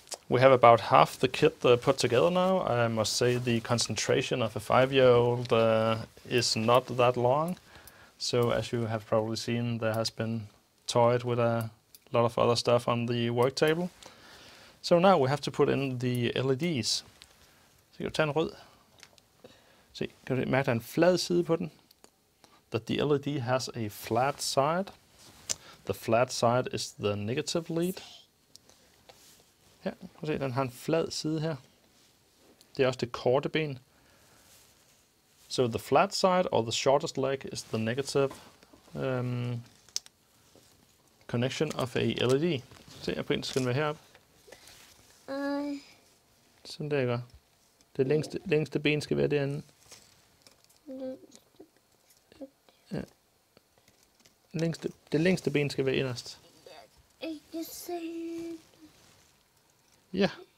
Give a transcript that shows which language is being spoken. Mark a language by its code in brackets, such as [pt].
[en] We have about half the kit put together now. I must say the concentration of a five-year-old is not that long. So as you have probably seen, there has been toyed with a lot of other stuff on the work table. So now we have to put in the LEDs. [da] Så kan du tage en rød. Se, kan du mærke, der er en flad side på den? [en] That the LED has a flat side. The flat side is the negative lead. [da] Ja, kan du se, den har en flad side her. Det er også det korte ben. [en] So the flat side or the shortest leg is the negative connection of a LED. [da] Se, jeg prøver, skal den være heroppe. Sådan der, jeg gør. Det længste ben skal være derinde. Ja. Det længste ben skal være inderst. Ikke se. Ja.